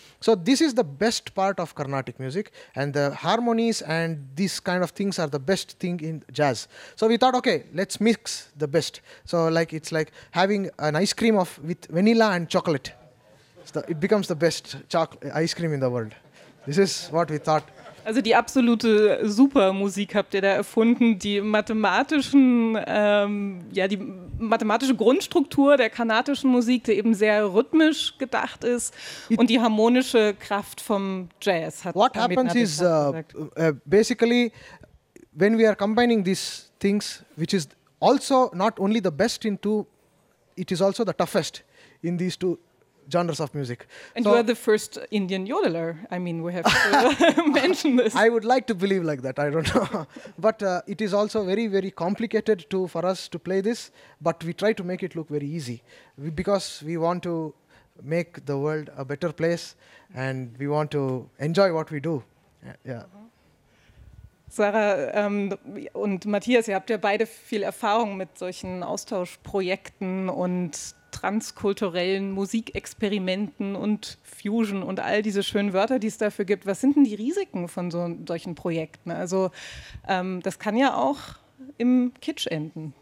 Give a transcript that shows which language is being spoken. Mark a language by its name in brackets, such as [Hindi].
[English] So this is the best part of Carnatic music, and the harmonies and these kind of things are the best thing in jazz. So we thought, okay, let's mix the best. So like it's like having an ice cream with vanilla and chocolate. It becomes the best ice cream in the world. This is what we thought. [German] Also die absolute Supermusik habt ihr da erfunden, die mathematischen, die mathematische Grundstruktur der karnatischen Musik, die eben sehr rhythmisch gedacht ist, und die harmonische Kraft vom Jazz. [English] What happens is basically when we are combining these things, which is also not only the best in two, it is also the toughest in these two genres of music. And so you are the first Indian yodeler. I mean, we have to mention this. I would like to believe like that. I don't know. But it is also very, very complicated for us to play this. But we try to make it look very easy, because we want to make the world a better place, and we want to enjoy what we do. Yeah. [German] Sarah und Matthias, ihr habt ja beide viel Erfahrung mit solchen Austauschprojekten und transkulturellen Musikexperimenten und Fusion und all diese schönen Wörter, die es dafür gibt. Was sind denn die Risiken von solchen Projekten? Also das kann ja auch im Kitsch enden.